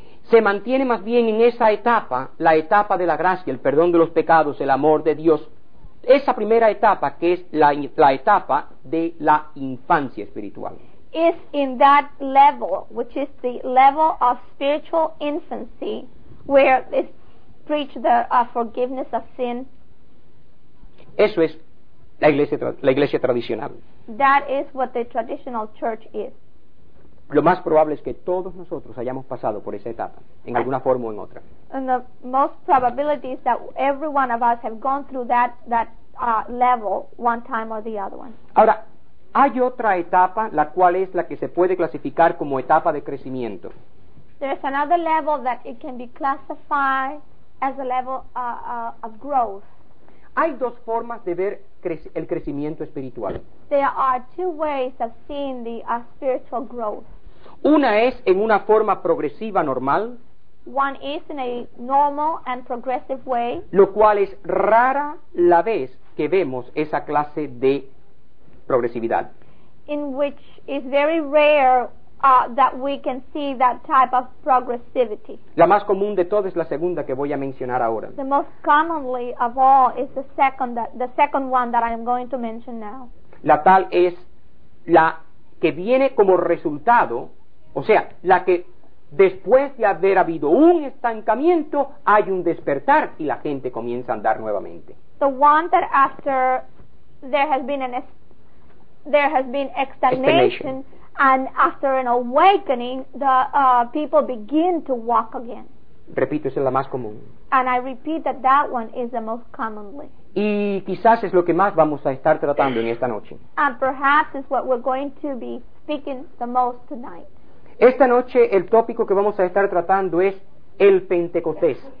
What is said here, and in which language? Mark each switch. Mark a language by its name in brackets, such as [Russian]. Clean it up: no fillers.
[Spanish] se mantiene más bien en esa etapa, la etapa de la gracia, el perdón de los pecados, el amor de Dios. Esa primera etapa que es la etapa de la infancia espiritual. [English] Is in that level, which is the level of spiritual infancy, where is preached the forgiveness of sin. [Spanish] Eso es la iglesia tradicional. [English] That is what the traditional church is. [Spanish] Lo más probable es que todos nosotros hayamos pasado por esa etapa, en alguna forma o en otra. [English] and the most probability is that every one of us have gone through that level one time or the other one. [Spanish] Ahora, hay otra etapa, la cual es la que se puede clasificar como etapa de crecimiento. [English] There's another level that it can be classified as a level of growth. [Spanish] Hay dos formas de ver el crecimiento espiritual. [English] There are two ways of seeing the spiritual growth. [Spanish] Una es en una forma progresiva normal. [English] One is in a normal and progressive way. [Spanish] Lo cual es rara la vez que vemos esa clase de progresividad. [English] In which is very rare that we can see that type of progressivity. [Spanish] La más común de todas es la segunda que voy a mencionar ahora. [English] The most commonly of all is the second one that I am going to mention now. [Spanish] La tal es la que viene como resultado, o sea, la que después de haber habido un estancamiento hay un despertar y la gente comienza a andar nuevamente. [English] The one that after there has been stagnation. And after an awakening, the people begin to walk again. [Spanish] Repito, esa es la más común. [English] And I repeat that one is the most commonly. [Spanish] Y quizás es lo que más vamos a estar tratando en esta noche. [English] And perhaps is what we're going to be speaking the most tonight. [Spanish] Esta noche el tópico que vamos a estar tratando es el Pentecostés.